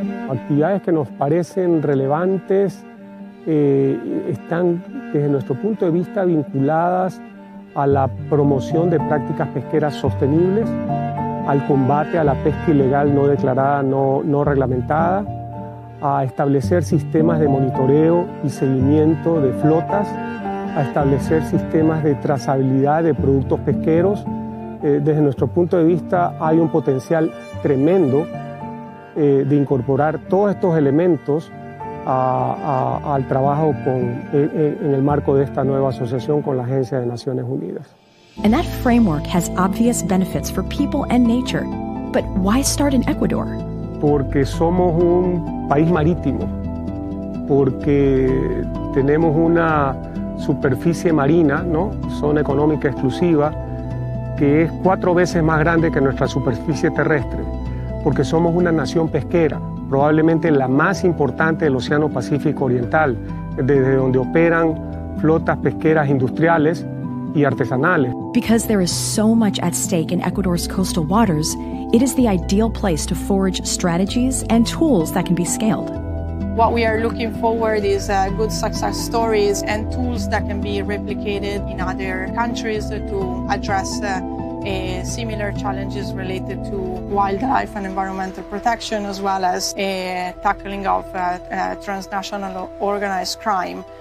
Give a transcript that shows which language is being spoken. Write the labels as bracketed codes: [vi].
[es] Actividades que nos parecen relevantes están, desde nuestro punto de vista, vinculadas a la promoción de prácticas pesqueras sostenibles, al combate a la pesca ilegal no declarada, no reglamentada, a establecer sistemas de monitoreo y seguimiento de flotas, a establecer sistemas de trazabilidad de productos pesqueros. Desde nuestro punto de vista hay un potencial tremendo de incorporar todos estos elementos al trabajo en el marco de esta nueva asociación con la Agencia de Naciones Unidas. [en] And that framework has obvious benefits for people and nature. But why start in Ecuador? [es] Porque somos un país marítimo, porque tenemos una superficie marina, ¿no? Zona económica exclusiva, que es 4 veces más grande que nuestra superficie terrestre, porque somos una nación pesquera, probablemente la más importante del Océano Pacífico Oriental, desde donde operan flotas pesqueras industriales y artesanales. [en] Because there is so much at stake in Ecuador's coastal waters, it is the ideal place to forge strategies and tools that can be scaled. What we are looking forward is good success stories and tools that can be replicated in other countries to address similar challenges related to wildlife and environmental protection, as well as tackling of transnational organized crime.